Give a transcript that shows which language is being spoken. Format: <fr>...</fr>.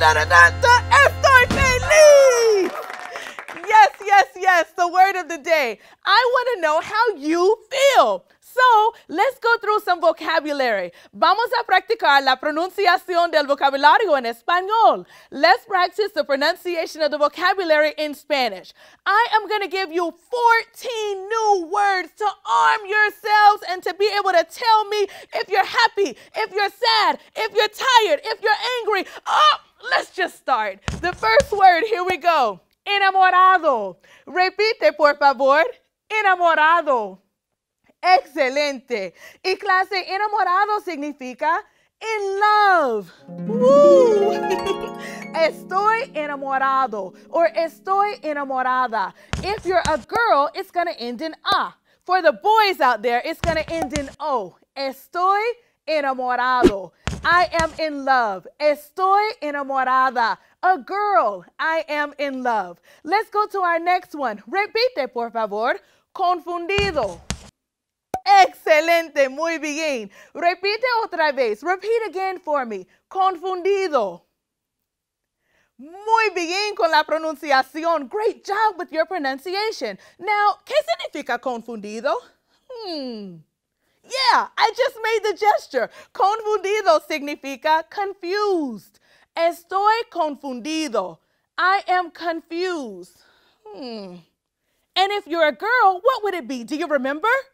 <es>Estoy feliz!</es> <en>Yes, yes, yes, the word of the day. I want to know how you feel. So, let's go through some vocabulary.</en> <es>Vamos a practicar la pronunciación del vocabulario en español.</es> <en>Let's practice the pronunciation of the vocabulary in Spanish. I am going to give you 14 new words to arm yourselves and to be able to tell me if you're happy, if you're sad, if you're tired, if you're angry. Oh, let's just start. The first word, here we go.</en> <es>Enamorado. Repite, por favor. Enamorado. Excelente. Y clase, enamorado significa</es> <en>in love.</en> <es>Woo! Estoy enamorado or estoy enamorada.</es> <en>If you're a girl, it's going to end in a. For the boys out there, it's going to end in o.</en> <es>Estoy enamorado.</es> <en>I am in love.</en> <es>Estoy enamorada.</es> <en>A girl, I am in love. Let's go to our next one.</en> <es>Repite, por favor. Confundido. Excelente, muy bien. Repite otra vez.</es> <en>Repeat again for me. Confundido.</en> <es>Muy bien con la pronunciación.</es> <en>Great job with your pronunciation.</en> <es>Now, ¿qué significa confundido?</es> <en>Yeah, I just made the gesture.</en> <es>Confundido significa confused. Estoy confundido.</es> <en>I am confused. And if you're a girl, what would it be? Do you remember?</en>